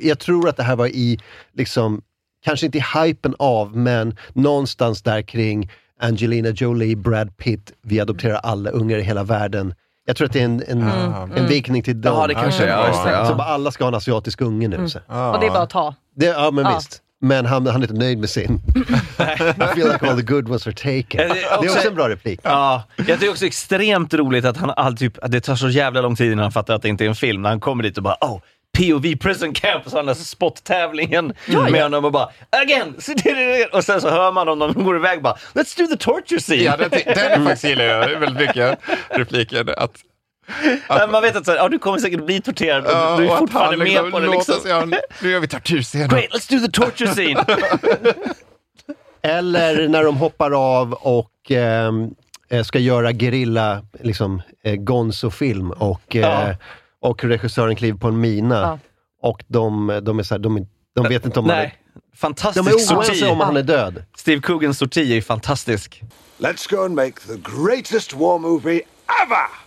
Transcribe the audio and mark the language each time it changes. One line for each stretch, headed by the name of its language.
Swedish: Jag tror att det här var i, liksom, kanske inte i hypen av, men någonstans där kring Angelina Jolie, Brad Pitt, vi adopterar alla ungar i hela världen. Jag tror att det är en vikning till dem. Ja, det kanske är. Så bara alla ska ha en asiatisk unge nu. Så. Och det är bara att ta. Det, ja, men visst. Men han är inte nöjd med sin.
English: I feel like all the good ones are taken.
Swedish: Det är också en bra replik. Ja, jag tycker också extremt roligt att han all, typ, att det tar så jävla lång tid innan han fattar att det inte är en film. När han kommer dit och bara,
English: oh, POV prison camp.
Swedish: Så han har spot-tävlingen med honom och bara,
English: again!
Swedish: Och sen så hör man honom, de går iväg bara,
English: let's do the torture scene.
Swedish: Ja, den faktiskt gillar jag väldigt mycket, repliken, att... Att, man vet att så här, du kommer säkert bli torterad. Du är fortfarande liksom med på det liksom. Sig, nu gör vi tortyrscenen.
English: Great, let's do the torture scene.
Swedish: Eller när de hoppar av och ska göra gerilla, liksom, gonzo-film och regissören kliver på en mina och de är så här, de vet inte om han är... Fantastisk sorti. De är oense om han är död. Steve Coogans sorti är fantastisk.
English: Let's go and make the greatest war movie ever.